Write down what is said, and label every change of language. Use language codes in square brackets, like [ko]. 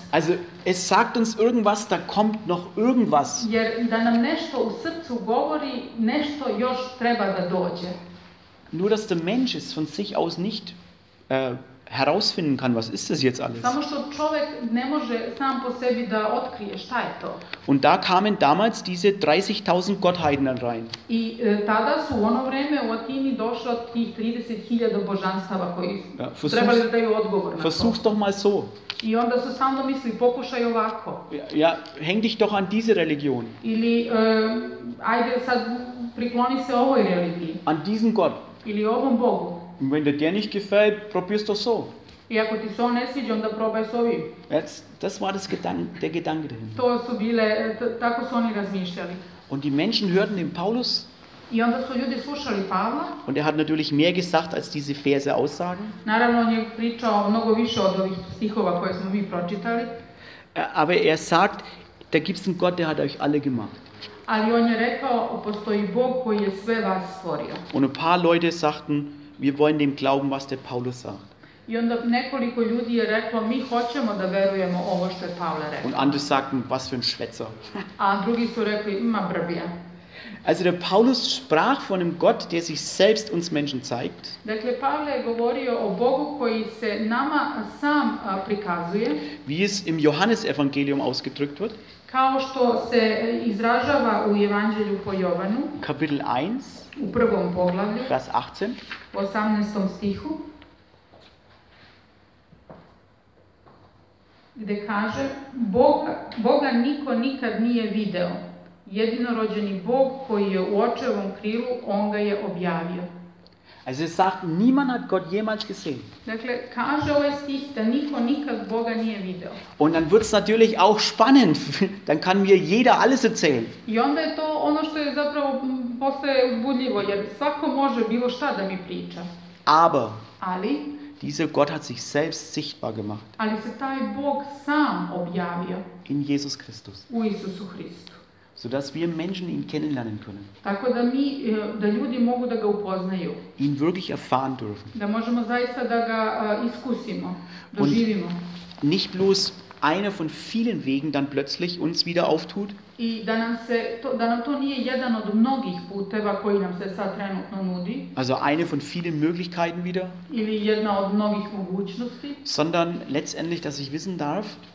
[de] Also es sagt uns irgendwas, da kommt noch irgendwas. [sr] Jer da nam nešto u srcu govori, nešto još treba da dođe. [de] Nur dass der Mensch es von sich aus nicht herausfinden kann, was ist das jetzt alles? [sr] Samo što čovjek ne može sam po sebi da otkrije šta je to. [de] Und da kamen damals diese 30.000 Gottheiten dann rein. [sr] I tada su u ono vrijeme u Atini došlo tih 30.000 božanstava koji trebali da daju odgovor na to. [de] Versuch's doch mal so. [sr] I onda su sam domislili, pokušaj ovako. [de] Ja, häng dich doch an diese Religion. [sr] Ili, ajde sad prikloni se ovoj religiji. [de] An diesen Gott. [sr] Ili ovom Bogu. [de] Und wenn dir nicht gefällt, probier's doch so. [sr] I ako ti so ne sviđa, onda probaj s ovim. [de] Das war der Gedanke dahin. [sr] To su bile, tako su oni razmišljali. [de] Und die Menschen hörten den Paulus. [sr] I onda su ljudi slušali Pavla. [de] Und hat natürlich mehr gesagt, als diese Verse aussagen. [sr] Naravno, on je pričao mnogo više od ovih stihova koje smo mi pročitali. [de] Aber er sagt, da gibt's einen Gott, der hat euch alle gemacht. [sr] Ali on je rekao, postoji Bog koji je sve vas stvorio. [de] Und ein paar Leute sagten, wir wollen dem glauben, was der Paulus sagt. [sr] I onda nekoliko ljudi je reklo, mi hoćemo da verujemo ovo što je Pavle rekao. [de] Und andere sagten, was für ein Schwätzer. [sr] A drugi su rekli, ima brbija. [de] Also der Paulus sprach von einem Gott, der sich selbst uns Menschen zeigt. [sr] Dakle, Pavle je govorio o Bogu koji se nama sam prikazuje. [de] Wie es im Johannesevangelium ausgedrückt wird. [sr] Kao što se izražava u Evanđelju po Jovanu. [de] Kapitel 1. [sr] U prvom poglavlju. [de] Vers 18. [sr] U 18. stihu. Gde kaže, Boga niko nikad nije video. Jedinorođeni Bog koji je u očevom krilu, on ga je objavio. [de] Also es sagt, niemand hat Gott jemals gesehen. [sr] Dakle, kaže ovaj stih da niko nikad Boga nije video. [de] Und dann wird's natürlich auch spannend. Dann kann mir jeder alles erzählen. [sr] I onda je to ono što je zapravo postaje uzbudljivo, jer svako može bilo šta da mi priča. [de] Aber. [sr] Ali. [de] Dieser Gott hat sich selbst sichtbar gemacht. [sr] Ali se taj Bog sam objavio. [de] In Jesus Christus. [sr] U Isusu Hristu. [de] Sodass wir Menschen ihn kennenlernen können. [sr] Tako da mi, da ljudi mogu da ga upoznaju. [de] Ihn wirklich erfahren dürfen. [sr] Da možemo zaista da ga iskusimo, doživimo. [de] Und nicht bloß einer von vielen Wegen dann plötzlich uns wieder auftut. [sr] I da nam se, da nam to nije jedan od mnogih puteva koji nam se sad trenutno nudi. [de] Also eine von vielen Möglichkeiten wieder. [sr] Ili jedna od mnogih mogućnosti. [de] Sondern letztendlich, dass ich wissen darf,